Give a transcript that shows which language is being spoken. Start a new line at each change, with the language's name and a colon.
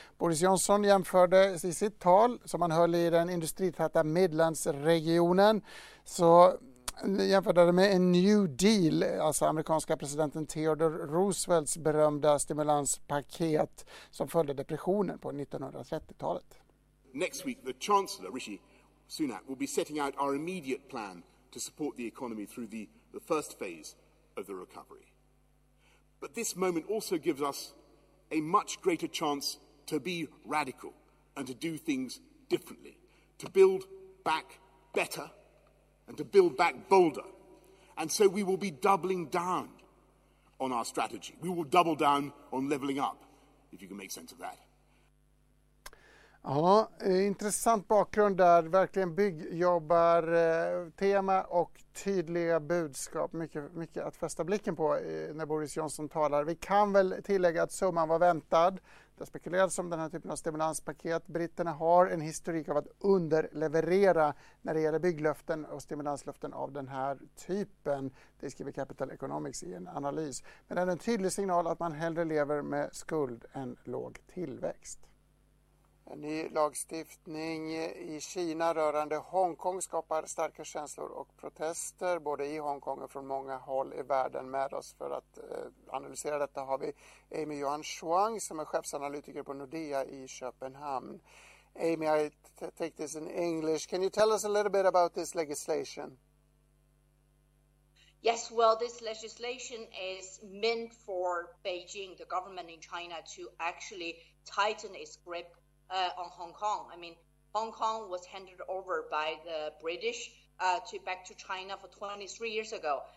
Swedish: Boris Johnson jämförde i sitt tal som han höll i den industritäta Midlands-regionen så jämförde det med en New Deal, alltså amerikanska presidenten Theodore Roosevelts berömda stimulanspaket som följde depressionen på 1930-talet.
English: Next week, the Chancellor, Rishi Sunak, will be setting out our immediate plan to support the economy through the first phase of the recovery. But this moment also gives us a much greater chance to be radical and to do things differently, to build back better and to build back bolder. And so we will be doubling down on our strategy. We will double down on levelling up, if you can make sense of that.
Swedish: Ja, intressant bakgrund där. Verkligen byggjobbar tema och tydliga budskap. Mycket, mycket att fästa blicken på när Boris Johnson talar. Vi kan väl tillägga att summan var väntad. Det spekulerades om den här typen av stimulanspaket. Britterna har en historik av att underleverera när det gäller bygglöften och stimulanslöften av den här typen. Det skriver Capital Economics i en analys. Men det är en tydlig signal att man hellre lever med skuld än låg tillväxt. En ny lagstiftning i Kina rörande Hongkong skapar starka känslor och protester både i Hongkong och från många håll i världen. Med oss för att analysera detta har vi Amy Yuan Shuang som är chefsanalytiker på Nordea i Köpenhamn.
English: Amy, I take this in English. Can you tell us a little bit about this legislation? Yes, well, this legislation is meant for Beijing, the government in China, to actually tighten its grip on Hong Kong. I mean, Hong Kong was handed over by the British back to China for 23 years ago.